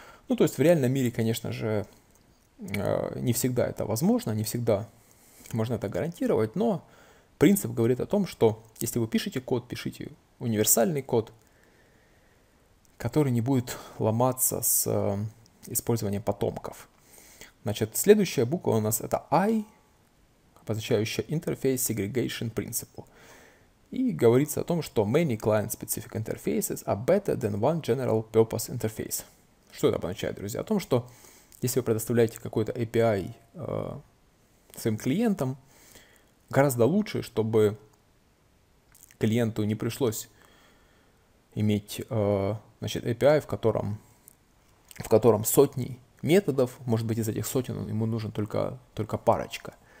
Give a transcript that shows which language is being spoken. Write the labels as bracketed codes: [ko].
[ru] Ну, то есть в реальном мире, конечно же, не всегда это возможно, не всегда можно это гарантировать, но принцип говорит о том, что если вы пишете код, пишите универсальный код, который не будет ломаться с использованием потомков. Значит, следующая буква у нас — это I, обозначающая Interface Segregation Principle. И говорится о том, что [en] many client-specific interfaces are better than one general-purpose interface. [ru] Что это обозначает, друзья? О том, что если вы предоставляете какой-то API своим клиентам, гораздо лучше, чтобы клиенту не пришлось иметь значит, API, в котором сотни методов, может быть, из этих сотен ему нужен только парочка.